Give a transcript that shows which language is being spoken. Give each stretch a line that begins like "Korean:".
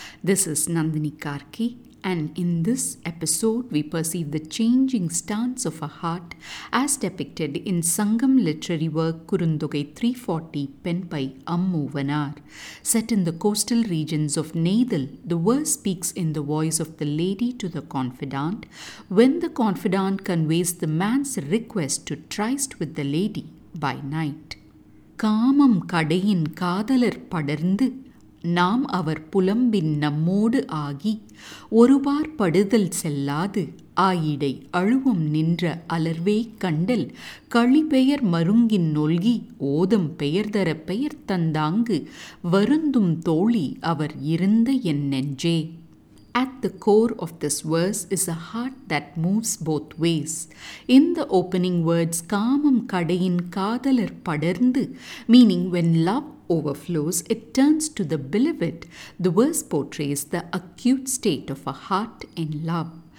English: This is Nandini Karki, and in this episode we perceive the changing stance of a heart as depicted in Sangam literary work Kurundugai 340, penned by Ammuvanar. Set in the coastal regions of Nadal, the verse speaks in the voice of the lady to the confidant. When the confidant conveys the man's request to tryst with the lady by night.
Tamil: காமம் கடையின் காதலர் படர்ந்து நாம் அவர் புலம்பின் நம்மோடு ஆகி ஒருவார் படுதல் செல்லாது ஆயிடை அழுவம் நின்ற அலர்வே கண்டல் களிபெயர் மருங்கின் நொல்கி ஓதம் பெயர் தர பெயர் தந்தாங்கு வருந்தும் தோழி அவர் இருந்த என் நெஞ்சே.
English: At the core of this verse is a heart that moves both ways. In the opening words,
Tamil: Kaamam kadayin kaadalar padarndu,
English: meaning when love overflows, it turns to the beloved. The verse portrays the acute state of a heart in love.